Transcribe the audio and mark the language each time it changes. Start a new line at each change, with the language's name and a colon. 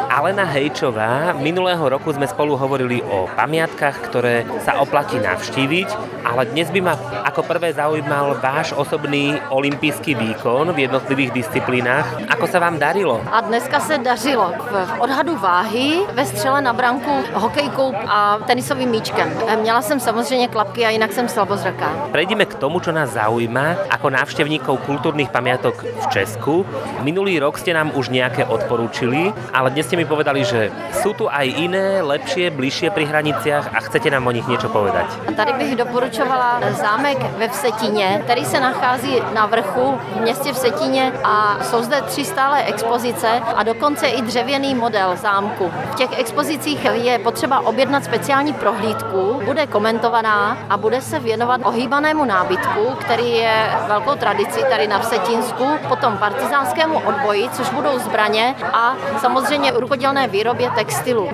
Slovak: Alena Hejčová, minulého roku jsme spolu hovorili o pamiatkách, které sa oplatí navštíviť, ale dnes by ma ako prvé zaujímal váš osobný olympijský výkon v jednotlivých disciplínách. Ako sa vám darilo?
Czech: A dneska se dařilo v odhadu váhy, ve střele na branku, hokejkou a tenisovým míčkem. Měla jsem samozřejmě klapky a jinak jsem slabozraká.
Slovak: Prejdeme k tomu, čo nás zaujíma, ako návštevníkov kultúrnych pamiatok v Česku. Minulý rok ste nám už nejaké odporúčili, ale dnes ste mi povedali, že sú tu aj iné, lepšie, bližšie pri hraniciach a chcete nám o nich niečo povedať.
Czech: Tady bych doporučovala zámek ve Vsetíně,
Slovak: ktorý sa nachází
Czech: na vrchu v meste Vsetíně a sú zde tři stále expozice a dokonce i dřevěný model zámku. V těch expozicích je potřeba objednat speciální prohlídku, bude komentovaná a bude se věnovat ohýbanému nábytku, který je velkou tradicí tady na Vsetínsku, potom partizánskému odboji, což budou zbraně a samozřejmě rukodělné výrobě textilu.